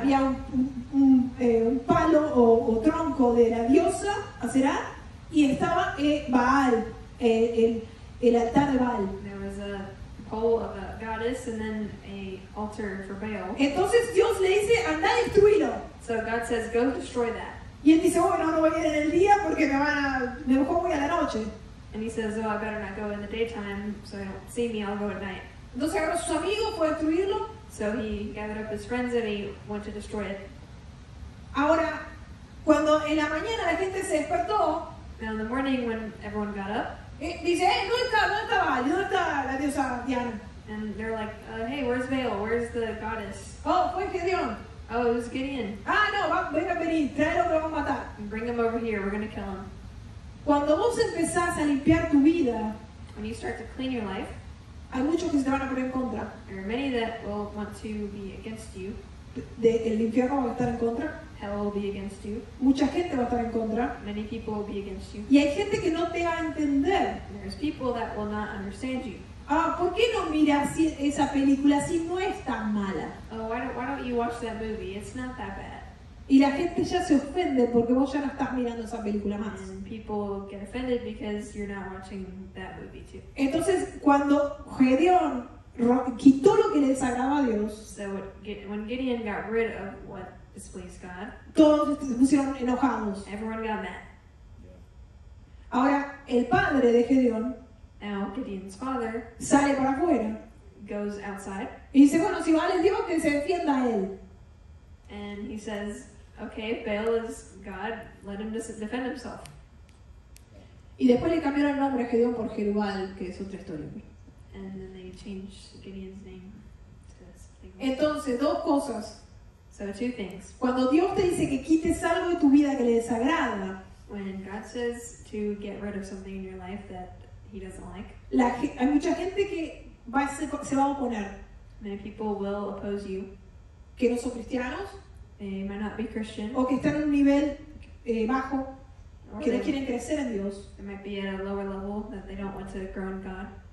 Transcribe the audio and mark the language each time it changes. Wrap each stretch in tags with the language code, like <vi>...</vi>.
<es>Había un palo o tronco de la diosa, Asera, y estaba Baal, el altar de Baal.</es> <en>Pole of a goddess and then an altar for Baal.</en> <es>Entonces Dios le dice, anda y destruilo.</es> <en>So God says, go destroy that.</en> <es>Y él dice, bueno, no voy a ir en el día porque me van a, mejor voy a la noche.</es> <en>And he says, oh, I better not go in the daytime so they don't see me, I'll go at night.</en> <es>Entonces agarró a sus amigos para destruirlo.</es> <en>So he gathered up his friends and he went to destroy it.</en> <es>Ahora, cuando en la mañana la gente se despertó.</es> <en>Now in the morning when everyone got up.</en> <es>Dice, ¿dónde está Baal? ¿Dónde está la diosa Diana?</es> <en>And they're like, hey, where's Baal? Where's the goddess?</en> <es>Oh, fue Gideon.</es> <en>Oh, it was Gideon.</en> <es>Ah, no, venga, vení, tráelo, lo vamos a matar.</es> <en>Bring him over here, we're going to kill him.</en> <es>Cuando vos empezás a limpiar tu vida,</es> <en>when you start to clean your life,</en> <es>hay muchos que se van a poner en contra.</es> <en>There are many that will want to be against you.</en> <es>El infierno va a estar en contra.</es> <en>Hell will be against you.</en> <es>Mucha gente va a estar en contra.</es> <en>Many people will be against you.</en> <es>Y hay gente que no te va a entender.</es> <en>There's people that will not understand you.</en> <es>Ah, ¿por qué no miras esa película si no es tan mala?</es> <en>Oh, why don't you watch that movie? It's not that bad.</en> <es>Y la gente ya se ofende porque vos ya no estás mirando esa película más.</es> <en>And people get offended because you're not watching that movie too.</en> <es>Entonces, cuando Gedeón quitó lo que le desagradaba a Dios,</es> <en>so when Gideon got rid of what displeased God,</en> <es>todos se pusieron enojados.</es> <en>Everyone got mad.</en> <es>Ahora, el padre de Gedeón,</es> <en>now Gideon's father,</en> <es>sale para afuera,</es> <en>goes outside,</en> <es>y dice, bueno, si vale Dios, que se defienda a él.</es> <en>And he says, okay, Baal is God, let him defend himself.</en> <es>Y después le cambiaron el nombre a Gedeón por Jerubal, que es otra historia.</es> <en>And then they changed Gideon's name to something</en> <es>else. Entonces, dos cosas.</es> <en>So two things.</en> <es>Cuando Dios te dice que quites algo de tu vida que le desagrada,</es> <en>when God says to get rid of something in your life that he doesn't like,</en> <es>hay mucha gente que se va a oponer.</es> <en>Many people will oppose you.</en> <es>Que no son cristianos,</es> <en>they might not be Christian,</en> <es>o que están en un nivel bajo, que no quieren crecer en Dios.</es> <en>They might be at a lower level that they don't want to grow in God.</en>